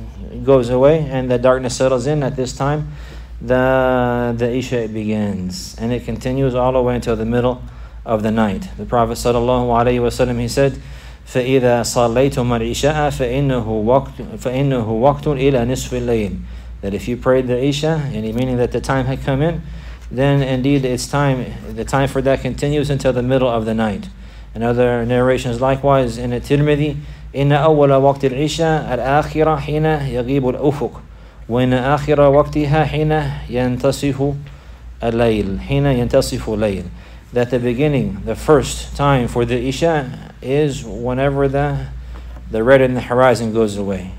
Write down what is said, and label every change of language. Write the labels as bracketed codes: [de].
[en] And the darkness settles in, at this time the Isha begins. And it continues all the way until the middle of the night. [ar] The Prophet sallallahu alaihi wasallam, he said, فَإِذَا صَلَّيْتُمَ الْعِشَاءَ فَإِنَّهُ وَقْتٌ إِلَى نِصْفِ اللَّيْلِ. [en] That if you prayed the Isha, any meaning that the time had come in, then indeed it's time, the time for that continues until the middle of the night. And other narrations likewise in the Tirmidhi, [ar] إِنَّ أَوَّلَ وَقْتِ الْعِشَاءَ الْآخِرَ حِينَ يَغِيبُ الْأُفُقُ وَإِنَّ آخِرَ وَقْتِهَا حِينَ يَنْتَصِفُ اللَّيْلِ [en] That the beginning, the first time for the Isha, is whenever the red in the horizon goes away.